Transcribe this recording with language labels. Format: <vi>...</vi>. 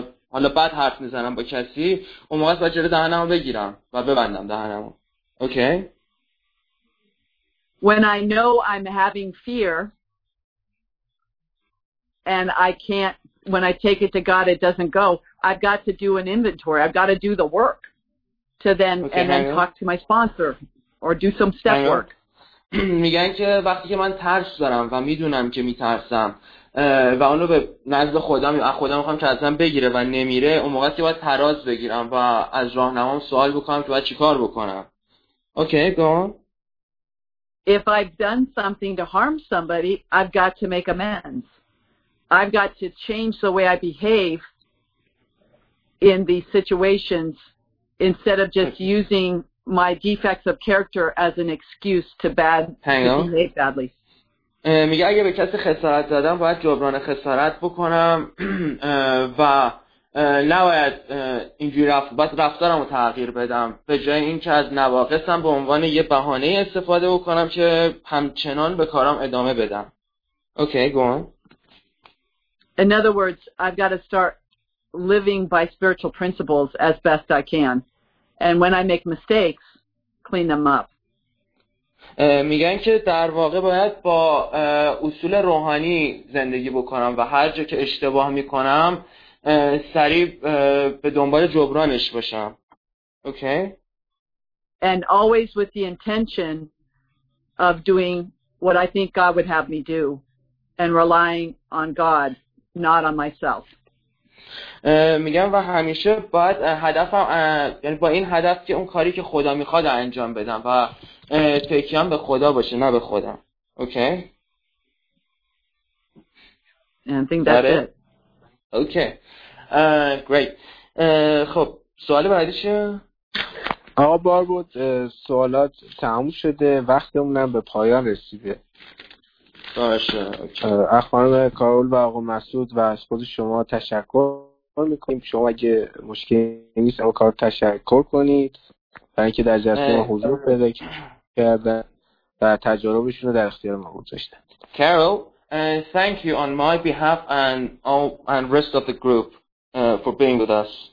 <fa>حالا بعد حرف میزنم با کسی، اون موقع باید جلو دهنمو بگیرم و ببندم دهنمو. اوکی؟</fa> <en>When I know I'm having fear and I can't, when I take it to God it doesn't go, I've got to do an inventory. I've got to do the work to then okay, and then talk to my sponsor or do some step hang work.</en> <fa>میگن که وقتی که من ترس دارم و میدونم که میترسم و اونو به نزد خودم یا خودم میخوام که ازم بگیره و نمیره، اون موقع که باید تراز بگیرم و از راهنمام سوال بکنم که باید چیکار بکنم.</fa> <en>Okay go on. If I've done something to harm somebody, I've got to make amends. I've got to change the way I behave in these situations instead of just okay. using my defects of character as an excuse to bad to behave badly.</en> <fa>میگه اگه به کسی خسارت دادم باید جبران خسارت بکنم و نباید اینجوری رفتارم رو تغییر بدم، به جای اینکه از نواقصم به عنوان یه بهانه استفاده بکنم که همچنان به کارم ادامه بدم.</fa> <en>Okay go on. In other words, I've got to start living by spiritual principles as best I can. And when I make mistakes, clean them up.</en> <fa>میگن که در واقع باید با اصول روحانی زندگی بکنم و هر جا که اشتباه میکنم سریع به دنبال جبرانش باشم. اوکی؟</fa> <en>And always with the intention of doing what I think God would have me do and relying on God, not on myself.</en> <fa>میگم و همیشه باید هدفم یعنی با این هدف که اون کاری که خدا میخواد انجام بدم و تکیه‌ام به خدا باشه نه به خودم. اوکی؟</fa> <en>And I think that's</en> <fa>داره.</fa> <en>it.</en> <fa>اوکی.</fa> <en>Great.</en> <fa>خب سوال بعدی چیه؟ آقا بار بود سوالات تموم شده، وقتمون هم به پایان رسیده. باشه. خانم کارول و آقا مسعود و از خود شما تشکر میکنیم. شما اگه مشکلی نیست آقا کارول تشکر کنید برای اینکه در جلسه ما حضور پیدا کردن و تجربهشون رو در اختیار ما گذاشتن.</fa> <en>Carol thank you on my behalf and all and rest of the group for being with us.</en>